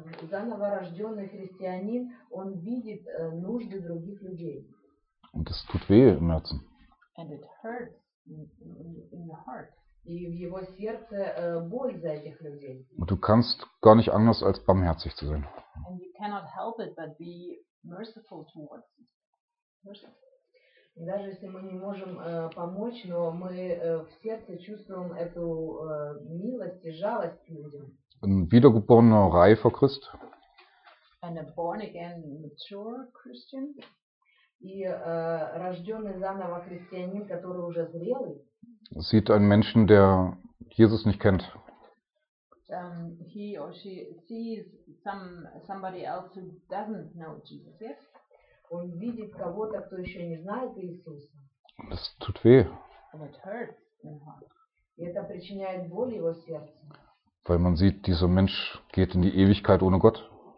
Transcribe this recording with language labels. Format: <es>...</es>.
<ru>Заново рожденный христианин, он видит нужды других людей.</ru> <de>Und es tut weh im Herzen.</de> <en>And it hurts in the heart.</en> <ru>И в его сердце боль за этих людей.</ru> <de>Und du kannst gar nicht anders als barmherzig zu sein.</de> <en>And you cannot help it but be merciful towards it.</en> <ru>И даже если мы не можем помочь, но мы в сердце чувствуем эту милость и жалость к людям.</ru> <de>Ein wiedergeborener, reifer Christ.</de> <en>And a born again, mature Christian.</en> <ru>И рожденный заново христианин, который уже зрелый.</ru> <de>Sieht einen Menschen, der Jesus nicht kennt.</de> <en>He or she sees somebody else who doesn't know Jesus yet.</en> <ru>Он видит кого-то, кто еще не знает Иисуса.</ru> <de>Das tut weh.</de> <en>And it hurts in heart.</en> <ru>И это причиняет боль его сердцу.</ru> <de>Weil man sieht, dieser Mensch geht in die Ewigkeit ohne Gott.</de>